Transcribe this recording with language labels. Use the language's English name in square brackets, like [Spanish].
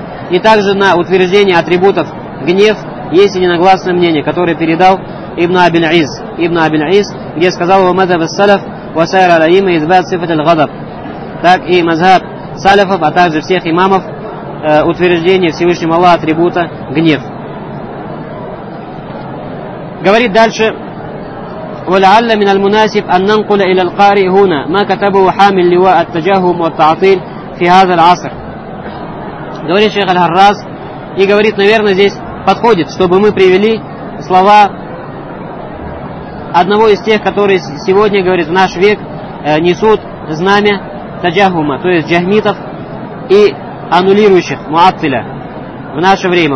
[Russian] И также на утверждение атрибутов гнев есть и единогласное мнение, которое передал Ибн Абиль-Из. [Arabic] Ибн Абиль-Из, [Russian] где сказал [Arabic] «Ва мазхаб ас-саляф, ва сайра ал-а'имма исбат сифат аль-гадаб». [Russian] Так и мазхаб салафов, а также всех имамов, утверждение Всевышнего Аллаха атрибута гнев. Говорит дальше: [Arabic] ولعل من المناسب أن ننقل إلى القارئ هنا ما كتبه حامل لواء التجهم والتعطيل في هذا العصر. [Russian] Говорит шейх Аль-Харраз, и говорит, наверное, здесь подходит, чтобы мы привели слова одного из тех, которые сегодня, говорит, в наш век несут знамя таджахума, то есть джахмитов и аннулирующих муаттиля в наше время.